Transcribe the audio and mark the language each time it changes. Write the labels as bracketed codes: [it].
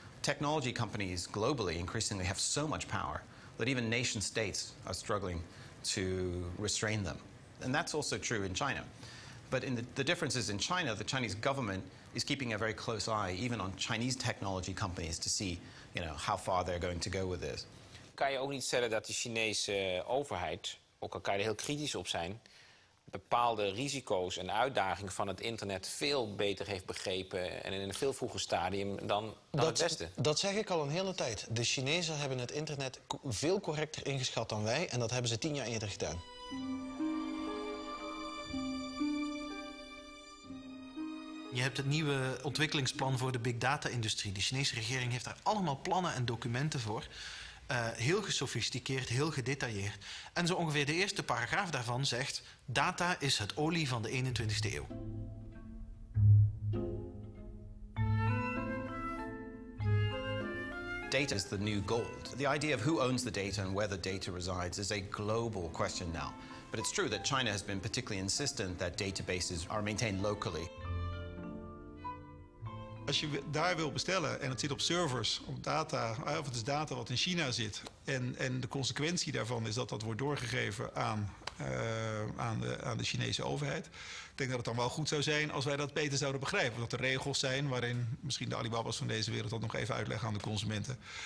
[en] Technology companies globally increasingly have so much power that even nation states are struggling to restrain them. And that's also true in China. But in the difference is in China, the Chinese government is keeping a very close eye even on Chinese technology companies to see, you know, how far they're going to go with this. [nl] Kan je ook niet stellen dat de Chinese overheid, ook al kan je er heel kritisch op zijn, bepaalde risico's en uitdagingen van het internet veel beter heeft begrepen en in een veel vroeger stadium dan het Westen. Dat zeg ik al een hele tijd. De Chinezen hebben het internet veel correcter ingeschat dan wij en dat hebben ze 10 jaar eerder gedaan. Je hebt het nieuwe ontwikkelingsplan voor de big data-industrie. De Chinese regering heeft daar allemaal plannen en documenten voor. Heel gesofisticeerd, heel gedetailleerd. En zo ongeveer de eerste paragraaf daarvan zegt: data is het olie van de 21ste eeuw. [en] Data is the new gold. The idea of who owns the data and where the data resides is a global question now. But it's true that China has been particularly insistent that databases are maintained locally. [nl] Als je daar wil bestellen en het zit op servers, op data, of het is data wat in China zit. En de consequentie daarvan is dat wordt doorgegeven aan de Chinese overheid. Ik denk dat het dan wel goed zou zijn als wij dat beter zouden begrijpen. Dat er regels zijn waarin misschien de Alibaba's van deze wereld dat nog even uitleggen aan de consumenten.